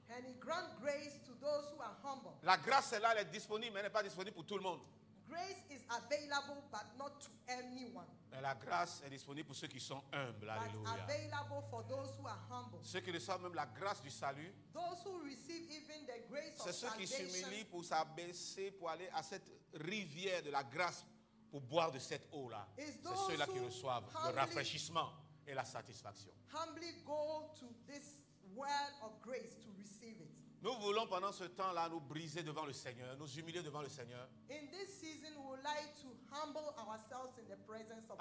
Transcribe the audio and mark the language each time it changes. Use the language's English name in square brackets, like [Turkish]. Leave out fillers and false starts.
[English] And he grants grace to those who are humble. [French] La grâce est là, elle est disponible, mais elle n'est pas disponible pour tout le monde. [English] Grace is available, but not to anyone. [French] Mais la grâce est disponible pour ceux qui sont humbles. Alléluia. [English] Available for those who are humble. [French] Ceux qui reçoivent même la grâce du salut. [English] Those who receive even the grace of [French] c'est ceux qui s'humilient pour s'abaisser, pour aller à cette rivière de la grâce, pour boire de cette eau-là. C'est ceux-là qui reçoivent [English] humbly, [French] le rafraîchissement et la satisfaction. [English] Humbly go to this well of grace to receive it. [French] Nous voulons pendant ce temps-là nous briser devant le Seigneur, nous humilier devant le Seigneur. [English] In this season, we would like to humble ourselves in the presence of God.